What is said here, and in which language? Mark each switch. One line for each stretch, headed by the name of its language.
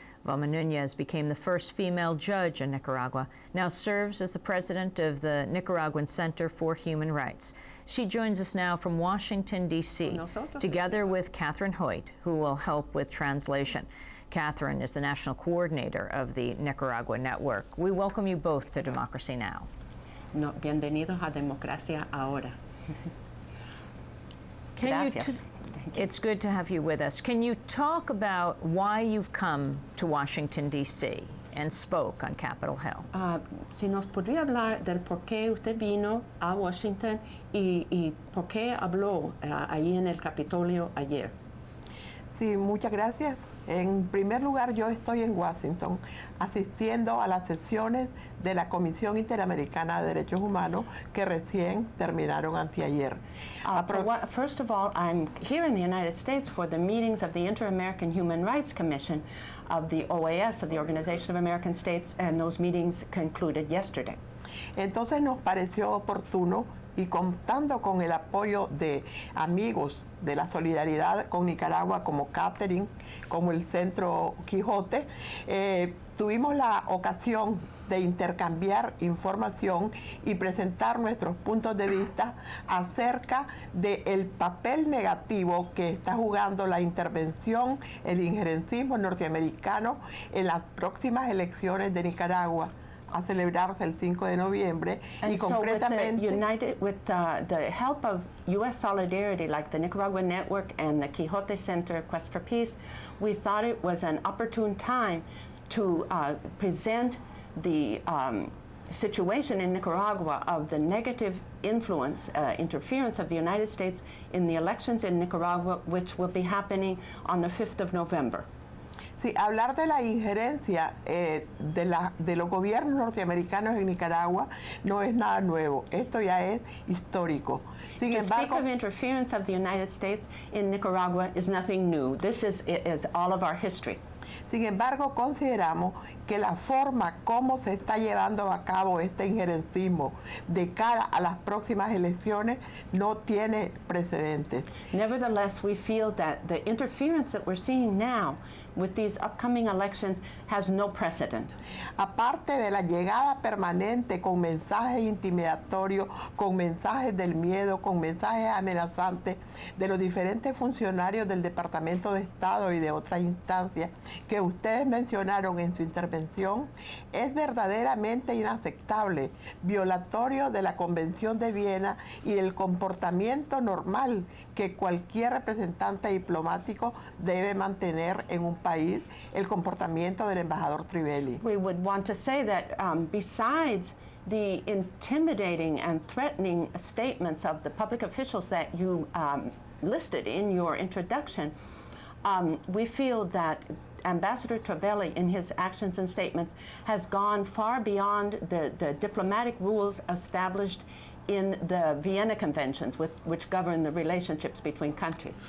English: Vilma Nunez became the first female judge in Nicaragua, now serves as the president of the Nicaraguan Center for Human Rights. She joins us now from Washington, D.C., together with Catherine Hoyt, who will help with translation. Catherine is the national coordinator of the Nicaragua Network. We welcome you both to Democracy Now!
Spanish: No, bienvenidos a Democracia Ahora.
English: It's good to have you with us. Can you talk about why you've come to Washington, D.C. and spoke on Capitol Hill?
Spanish: Si nos podría hablar del por qué usted vino a Washington y por qué habló ahí en el Capitolio ayer. Sí, muchas gracias. En primer lugar, yo estoy en Washington asistiendo a las sesiones de la Comisión Interamericana de Derechos Humanos que recién terminaron anteayer.
English: First of all, I'm here in the United States for the meetings of the Inter-American Human Rights Commission of the OAS, of the Organization of American States, and those meetings concluded yesterday.
Spanish: Entonces nos pareció oportuno y contando con el apoyo de amigos de la solidaridad con Nicaragua, como Catherine, como el Centro Quijote, tuvimos la ocasión de intercambiar información y presentar nuestros puntos de vista acerca del papel negativo que está jugando la intervención, el injerencismo norteamericano en las próximas elecciones de Nicaragua. A celebrarse el 5 de noviembre
English: and
Spanish: y
English: so
Spanish: concretamente
English: with the help of US solidarity like the Nicaragua Network and the Quijote Center Quest for Peace, we thought it was an opportune time to present the situation in Nicaragua of the negative influence, interference of the United States in the elections in Nicaragua, which will be happening on the 5th of November.
Spanish: Sí, hablar de la injerencia de los gobiernos norteamericanos en Nicaragua no es nada nuevo. Esto ya es histórico. Sin embargo,
English: to speak of interference of the United States in Nicaragua is nothing new. This is all of our history.
Spanish: Sin embargo, consideramos que la forma como se está llevando a cabo este injerencismo de cara a las próximas elecciones no tiene precedentes.
English: Nevertheless, we feel that the interference that we're seeing now with these upcoming elections has no precedent.
Spanish: Aparte de la llegada permanente con mensajes intimidatorios, con mensajes del miedo, con mensajes amenazantes de los diferentes funcionarios del Departamento de Estado y de otras instancias que ustedes mencionaron en su intervención, es verdaderamente inaceptable, violatorio de la Convención de Viena y del comportamiento normal que cualquier representante diplomático debe mantener en un país, el comportamiento del embajador Trivelli.
English: We would want to say that besides the intimidating and threatening statements of the public officials that you listed in your introduction, we feel that Ambassador Trivelli, in his actions and statements, has gone far beyond the diplomatic rules established in the Vienna Conventions, which govern the relationships between countries.